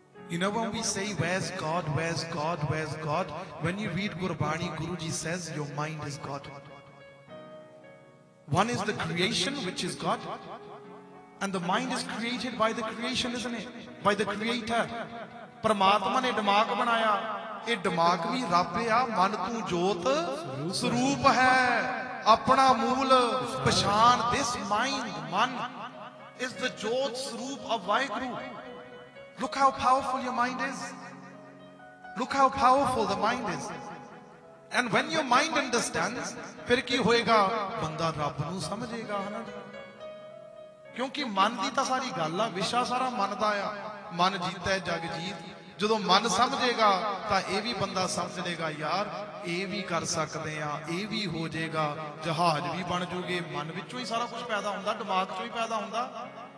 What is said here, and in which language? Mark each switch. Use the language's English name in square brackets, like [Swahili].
[English] You know when we say, where's God, where's God, where's God? When you read Gurbani, Guruji says, your mind is God. One is the creation, which is God. And the mind is created by the creation, isn't it? By the creator. [Punjabi] ਪਰਮਾਤਮਾ ਨੇ ਦਿਮਾਗ ਬਣਾਇਆ, ਇਹ ਦਿਮਾਗ ਵੀ ਰੱਬ ਆ. ਮਨ ਤੂੰ ਜੋਤ ਸਰੂਪ ਹੈ, ਆਪਣਾ ਮੂਲ ਪਛਾਣ. [English] This mind, man, is the jyot swarup of Vaheguru. Look how powerful your mind is. Look how powerful the mind is. And when your mind understands, [Punjabi] ਫਿਰ ਕੀ ਹੋਏਗਾ? ਬੰਦਾ ਰੱਬ ਨੂੰ ਸਮਝੇਗਾ, ਹੈ ਨਾ? ਕਿਉਂਕਿ ਮਨ ਦੀ ਤਾਂ ਸਾਰੀ ਗੱਲ ਆ, ਵਿਸ਼ਾ ਸਾਰਾ ਮਨ ਦਾ ਆ. ਮਨ ਜੀਤੈ ਜਗ ਜੀਤ. ਜਦੋਂ ਮਨ ਸਮਝੇਗਾ ਤਾਂ ਇਹ ਵੀ ਬੰਦਾ ਸਮਝ ਲੇਗਾ, ਯਾਰ ਇਹ ਵੀ ਕਰ ਸਕਦੇ ਆ, ਇਹ ਵੀ ਹੋ ਜਾਏਗਾ, ਜਹਾਜ਼ ਵੀ ਬਣ ਜੂਗੇ. ਮਨ ਵਿੱਚੋਂ ਹੀ ਸਾਰਾ ਕੁਝ ਪੈਦਾ ਹੁੰਦਾ, ਦਿਮਾਗ ਚੋਂ ਹੀ ਪੈਦਾ ਹੁੰਦਾ.